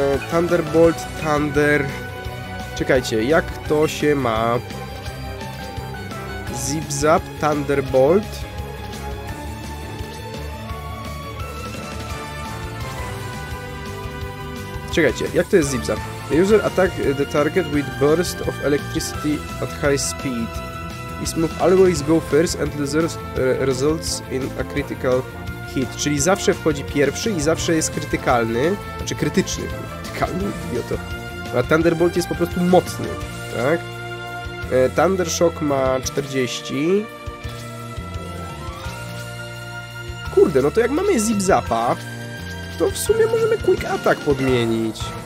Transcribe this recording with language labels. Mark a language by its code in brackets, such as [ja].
[pl] Thunderbolt, Thunder... Czekajcie, jak to się ma? Zip-zap, Thunderbolt. Czekajcie, jak to jest zip-zap? [en] The user attack the target with burst of electricity at high speed. His move always go first and results in a critical hit. [pl] Czyli zawsze wchodzi pierwszy i zawsze jest krytykalny. Znaczy krytyczny. Krytykalny, idioto. A Thunderbolt jest po prostu mocny, tak? Thundershock ma 40. Kurde, no to jak mamy zip-zapa, to w sumie możemy Quick Attack podmienić.